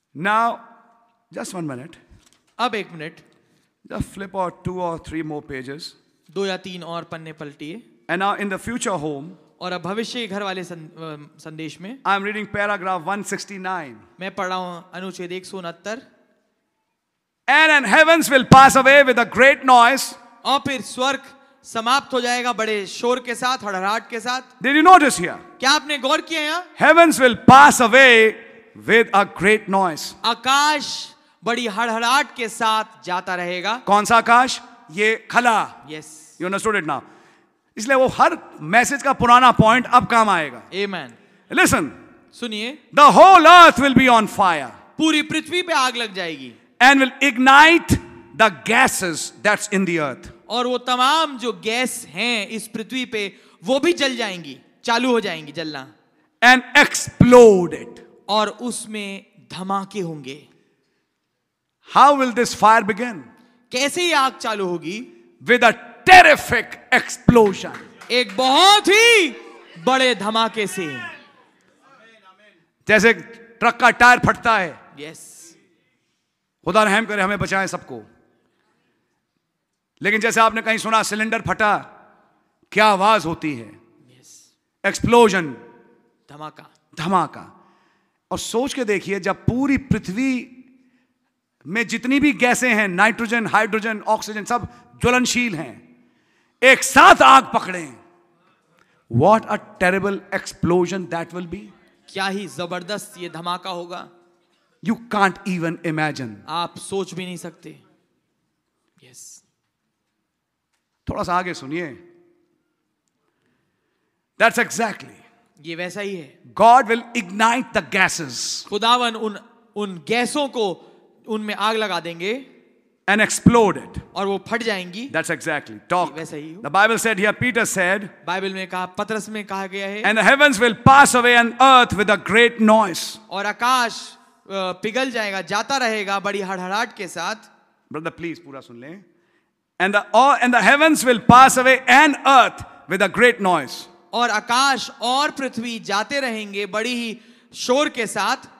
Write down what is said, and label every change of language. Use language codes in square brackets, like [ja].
[en] now just one minute, [hi] अब एक minute, [en] just flip or two or three more pages, [hi] दो या तीन और पन्ने पलटिए। [en] and now in the future home, [hi] और अब भविष्य घर वाले संदेश में, [en] I am reading paragraph 169, [hi] मैं पढ़ रहा हूं अनुच्छेद 169। [en] And heavens will pass away with a great noise. [hi] और फिर स्वर्ग समाप्त हो जाएगा बड़े शोर के साथ, हड़हड़ाहट के साथ। [en] Did you notice here? [hi] क्या आपने गौर किया यहाँ? [en] Heavens will pass away with a great noise. [hi] आकाश बड़ी हड़हड़ाहट के साथ जाता रहेगा। कौन सा आकाश? ये खला। [en] Yes. You understood it now. [hi] इसलिए वो हर मैसेज का पुराना पॉइंट अब काम आएगा। [en] Amen. Listen. [hi] सुनिए। [en] The whole earth will be on fire. [hi] पूरी पृथ्वी पे आग लग जाएगी। [en] And will ignite the gases that's in the earth. [hi] और वो तमाम जो गैस हैं इस पृथ्वी पे वो भी जल जाएंगी, चालू हो जाएंगी जलना। [en] And explode it. [hi] और उसमें धमाके होंगे। [en] How will this fire begin? [hi] कैसे ये आग चालू होगी? [en] With a terrific explosion. [hi] एक बहुत ही बड़े धमाके से। जैसे ट्रक का टायर फटता है। [en] Yes. [hi] खुदा रहम करे हमें बचाए सबको। लेकिन जैसे आपने कहीं सुना सिलेंडर फटा, क्या आवाज होती है? [en] Yes. Explosion, [hi] धमाका, धमाका। और सोच के देखिए, जब पूरी पृथ्वी में जितनी भी गैसें हैं, नाइट्रोजन, हाइड्रोजन, ऑक्सीजन, सब ज्वलनशील हैं, एक साथ आग पकड़ें, [en] What a terrible explosion that will be. [hi] क्या ही जबरदस्त ये धमाका होगा। [en] You can't even imagine. [hi] आप सोच भी नहीं सकते। Yes. थोड़ा सा आगे सुनिए। [en] That's exactly. [hi] ये वैसा ही है। [en] God will ignite the gases. [hi] खुदावन उन गैसों को उनमें आग लगा देंगे। [en] And explode it. [hi] और वो फट जाएंगी। [en] That's exactly. Talk. [hi] ये वैसा ही हो। [en] The Bible said here. Peter said. [hi] Bible में कहा, पत्रस में कहा गया है। [en] And the heavens will pass away and earth with a great noise. [hi] और आकाश पिघल जाएगा, जाता रहेगा बड़ी हड़हड़ाहट के साथ। [en] brother please [hi] पूरा सुन लें। [en] and the heavens will pass away and earth with a great noise, [hi] और आकाश और पृथ्वी जाते रहेंगे बड़ी ही शोर के साथ।